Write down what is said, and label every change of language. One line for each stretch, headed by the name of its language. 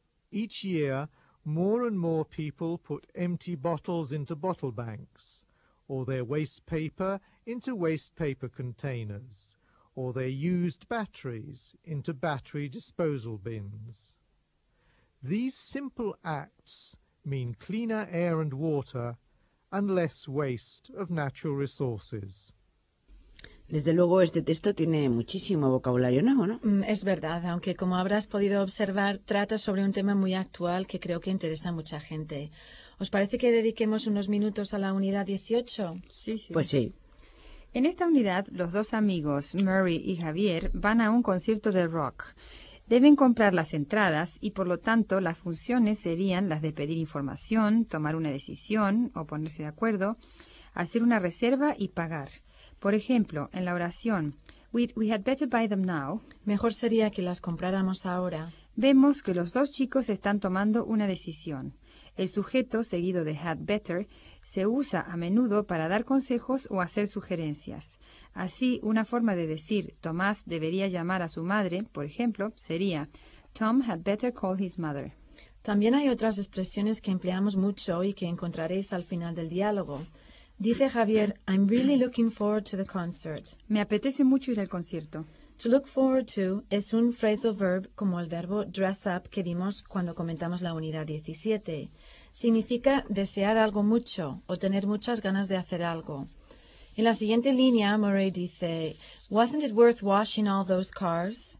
English: Each year, more and more people put empty bottles into bottle banks, or their waste paper into waste paper containers, or their used batteries into battery disposal bins. These simple acts mean cleaner air and water and less waste of natural resources.
Spanish: Desde luego, este texto tiene muchísimo vocabulario nuevo, ¿no? Es verdad, aunque como habrás podido observar, trata sobre un tema muy actual que creo que interesa a mucha gente. ¿Os parece que dediquemos unos minutos a la unidad 18? Sí, sí. Pues sí. En esta unidad, los dos amigos, Murray y Javier, van a un concierto de rock. Deben comprar las entradas y, por lo tanto, las funciones serían las de pedir información, tomar una decisión o ponerse de acuerdo, hacer una reserva y pagar. Por ejemplo, en la oración,
English: we had better buy them now.
Spanish: Mejor sería que las compráramos ahora. Vemos que los dos chicos están tomando una decisión. El sujeto, seguido de had better, se usa a menudo para dar consejos o hacer sugerencias. Así, una forma de decir Tomás debería llamar a su madre, por ejemplo, sería
English: Tom had better call his mother.
Spanish: También hay otras expresiones que empleamos mucho y que encontraréis al final del diálogo. Dice Javier,
English: I'm really looking forward to the concert.
Spanish: Me apetece mucho ir al concierto. To look forward to es un phrasal verb como el verbo dress up que vimos cuando comentamos la unidad 17. Significa desear algo mucho o tener muchas ganas de hacer algo. En la siguiente línea, Murray dice,
English: wasn't it worth washing all those cars?